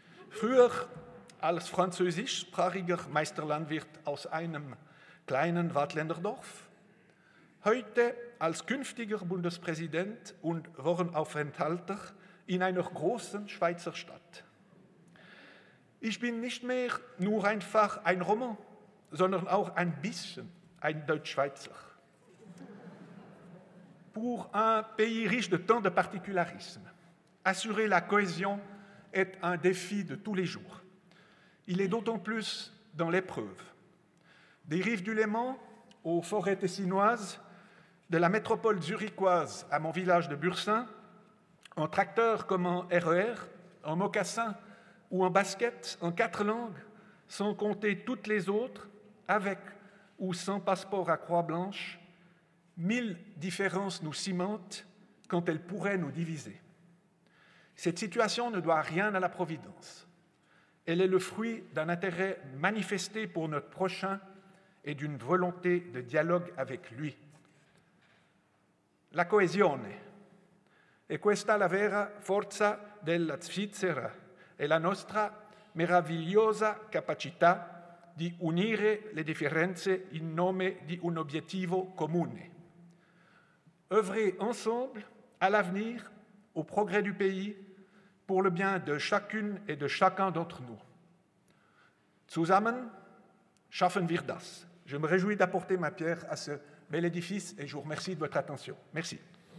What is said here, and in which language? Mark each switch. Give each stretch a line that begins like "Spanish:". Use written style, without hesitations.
German: Früher als französischsprachiger Meisterlandwirt aus einem kleinen Waadtländerdorf, heute als künftiger Bundespräsident und Wochenaufenthalter in einer großen Schweizer Stadt. Ich bin nicht mehr nur einfach ein Roman, sondern auch ein bisschen ein Deutsch-Schweizer.
French: Pour un pays riche de tant de particularismes, assurer la cohésion est un défi de tous les jours. Il est d'autant plus dans l'épreuve. Des rives du Léman aux forêts tessinoises, de la métropole zurichoise à mon village de Bursin, en tracteur comme en RER, en mocassin ou en basket, en quatre langues, sans compter toutes les autres, avec ou sans passeport à croix blanche, mille différences nous cimentent quand elles pourraient nous diviser. Cette situation ne doit rien à la Providence. Elle est le fruit d'un intérêt manifesté pour notre prochain et d'une volonté de dialogue avec lui.
Italian: La coesione. E questa la vera forza della Svizzera e la nostra meravigliosa capacità di unire le differenze in nome di un obiettivo comune.
French: Œuvrer ensemble à l'avenir, au progrès du pays, pour le bien de chacune et de chacun d'entre nous.
German: Zusammen schaffen wir das.
French: Je me réjouis d'apporter ma pierre à ce bel édifice et je vous remercie de votre attention. Merci.